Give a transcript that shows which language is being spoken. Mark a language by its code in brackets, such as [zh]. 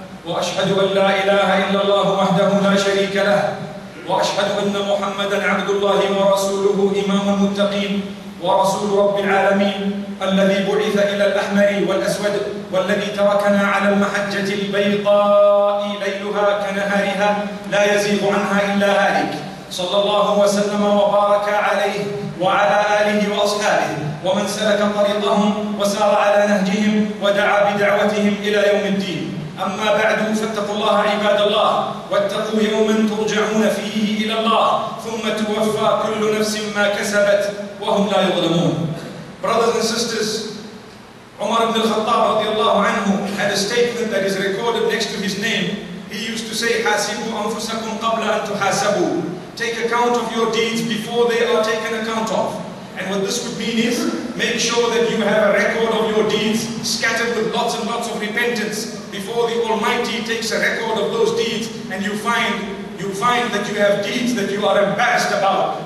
[ar] وأشهد أن لا إله إلا الله وحده لا شريك له وأشهد أن محمدا عبد الله ورسوله إمام المتقين ورسول رب العالمين الذي بعث إلى الأحمر والأسود والذي تركنا على المحجة البيضاء ليلها كنهارها لا يزيغ عنها إلا هالك صلى الله وسلم وبارك عليه وعلى آله وأصحابه ومن سلك طريقهم وسار على نهجهم ودعا بدعوتهم إلى يوم الدين. أما بعد، فاتقوا الله عباد الله واتقوا يوما ترجعون فيه إلى الله ثم توفى كل نفس ما كسبت وهم لا يظلمون. [en] Brothers and sisters, Umar ibn al-Khattab radiallahu anhu had a statement that is recorded next to his name. [ar] He used to say, حَاسِبُوا أَنفُسَكُمْ قَبْلَ أَن تُحَاسَبُوا. [en] Take account of your deeds before they are taken account of. And what this would mean is, make sure that you have a record of your deeds scattered with lots and lots of repentance before the Almighty takes a record of those deeds and you find that you have deeds that you are embarrassed about.